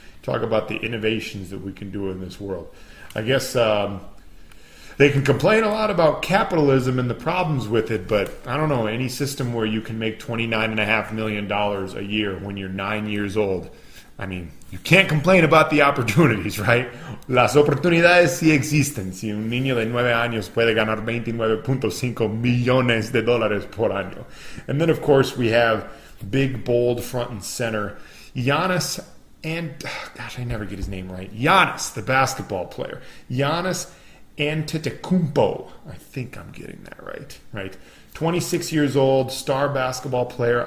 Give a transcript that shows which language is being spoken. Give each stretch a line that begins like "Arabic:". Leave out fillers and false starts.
English: Talk about the innovations that we can do in this world. I guess they can complain a lot about capitalism and the problems with it, but I don't know, any system where you can make $29.5 million a year when you're 9 years old, I mean, you can't complain about the opportunities, right?
Spanish: Las oportunidades sí existen. Si un niño de 9 años puede ganar 29.5 millones de dólares por año.
English: And then, of course, we have big, bold, front and center, Giannis and, gosh, I never get his name right. Giannis, the basketball player. Giannis Antetokounmpo. I think I'm getting that right, right? 26 years old, star basketball player.